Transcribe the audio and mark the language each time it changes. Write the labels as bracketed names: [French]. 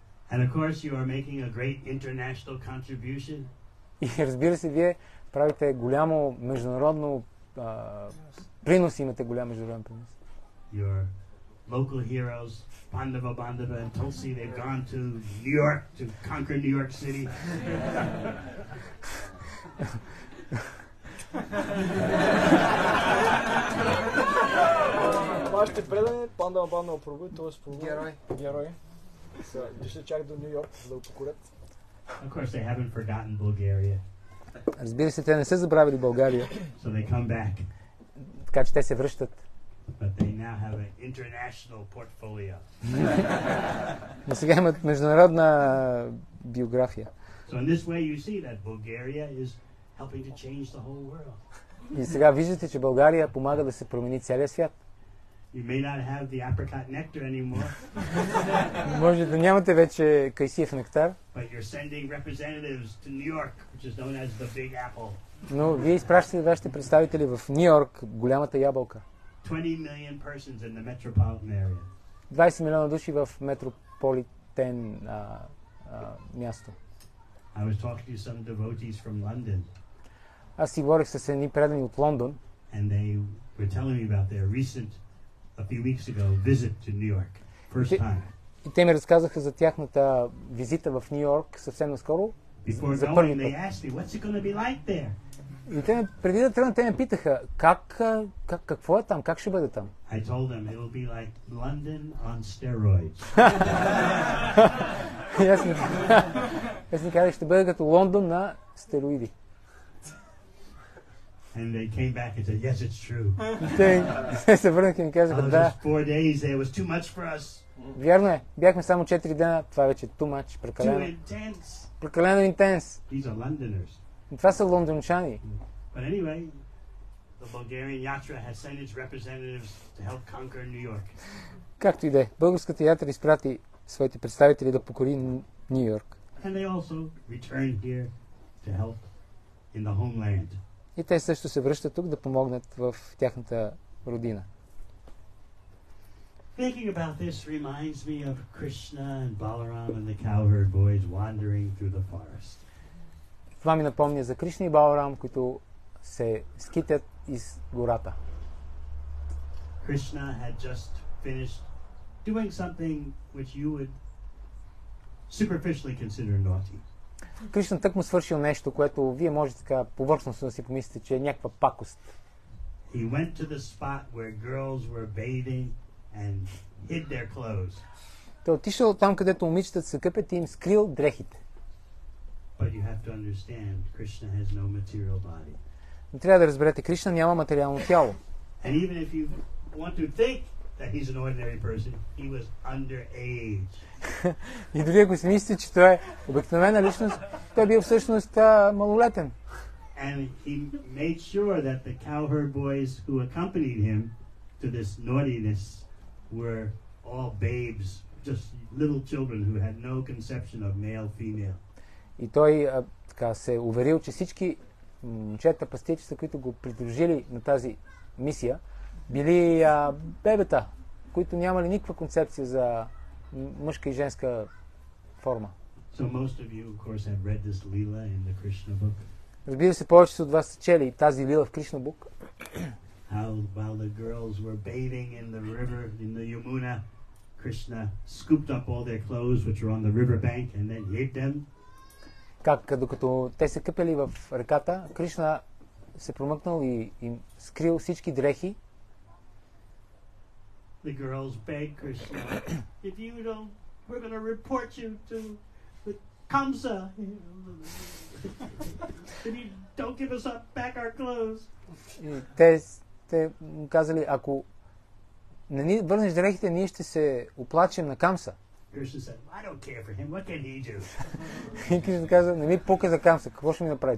[English] And of course you are making a great international contribution. [Bulgarian] И разбира се, вие правите голямо международно принос, имате голям международен принос. [English] Your local heroes, Pandava, Bandava and Tulsi, they've gone to New York to conquer New York City. [Bulgarian] Вашите предани, Пандава Бандава Пробу, т.е. Пробу. Герои. Герои. Са дошли чак до Нью Йорк, за да го покорят. [English] Of course they haven't forgotten Bulgaria. [Bulgarian] Разбира се, те не са забравили България. [English] So they come back. [Bulgarian] Така че те се връщат. [English] But they now have an international portfolio. [Bulgarian] Но сега имат международна биография. [English] So in this way you see that Bulgaria is helping to change the whole world. [Bulgarian] И сега виждате, че България помага да се промени целия свят. [English] You may not have the apricot nectar anymore. [Bulgarian] Може да нямате вече кайсиев нектар. [English] But you're sending representatives to New York, which is known as the Big Apple. [Bulgarian] Но вие изпращате вашите представители в Нью-Йорк, голямата ябълка. [English] 20 million persons in the metropolitan area. [Bulgarian] 20 милиона души в метрополитен място. [English] I was talking to some devotees from London. [Bulgarian] Аз си говорих с едни предани от Лондон. [English] And they were telling me about their recent, a few weeks ago, visit to New York. First time. [Bulgarian] И те ми разказаха за тяхната визита в Нью-Йорк съвсем наскоро. [English] Before [Bulgarian] за първи [English] they asked me, what's it going to be like there? [Bulgarian] И те, преди да тръгна, те ме питаха, какво е там, как ще бъде там? [English] I told them, it'll be like London on steroids. [Bulgarian] Ясно. Казах, ще бъде като Лондон на стероиди. [English] And they came back and said, yes, it's true. [Bulgarian] Те се върнаха и ми казаха, да. [English] It was 4 days, it was too much for us. [Bulgarian] Вярно е, бяхме само 4 дена, това вече [English] too much, [Bulgarian] прекалено. [English] Too intense. [Bulgarian] Прекалено интенс. [English] These are Londoners. [Bulgarian] Това са лондончани. [English] But anyway, the Bulgarian Yatra has sent its representatives to help conquer New York. [Bulgarian] Както и да е, българската ятра изпрати своите представители да покори Нью Йорк. [English] And they also return here to help in the homeland. [Bulgarian] И те също се връщат тук да помогнат в тяхната родина. [English] Thinking about this reminds me of Krishna and Balaram and the cowherd boys wandering through the forest. [Bulgarian] Това ми напомня за Кришна и Баларам, които се скитят из гората. [English] Krishna had just finished doing something which you would superficially consider naughty. [Bulgarian] Кришна тъкмо свършил нещо, което вие можете така повърхностно да си помислите, че е някаква пакост. [English] He went to the spot where girls were bathing and hid their clothes. [Bulgarian] Той отишъл там, където момичетата се къпят и им скрил дрехите. [English] But you have to understand Krishna has no material body. [Bulgarian] Но трябва да разберете, Кришна няма материално тяло. [English] And even if you want to think that he's an ordinary person, he was underage. [Bulgarian] И дори ако си мислите, че той е обикновена личност, той бил всъщност малолетен. [English] And he made sure that the cowherd boys who accompanied him to this naughtiness were all babes, just little children who had no conception of male female. [Bulgarian] И той така се уверил, че всички момчета, пастирчета, които го придружили на тази мисия, били бебета, които нямали никаква концепция за мъжка и женска форма. [English] So most of you, of course, have read this Lila in the Krishna book. [Bulgarian] Разбира се, повечето от вас са чели тази Лила в Кришна бук. [English] How while the girls were bathing in the river in the Yamuna, Krishna scooped up all their clothes which were on the river bank and then ate them. [Bulgarian] Как докато те се къпели в реката, Кришна се промъкнал и им скрил всички дрехи. [English] The girls beg Krishna, if you don't, we're going to report you to the Kamsa. If you don't give us back our clothes. [Bulgarian] Те казали, ако не ни върнеш дрехите, ние ще се оплачем на Камса. Кришна каза, не ми пука за Камса, какво ще ми направи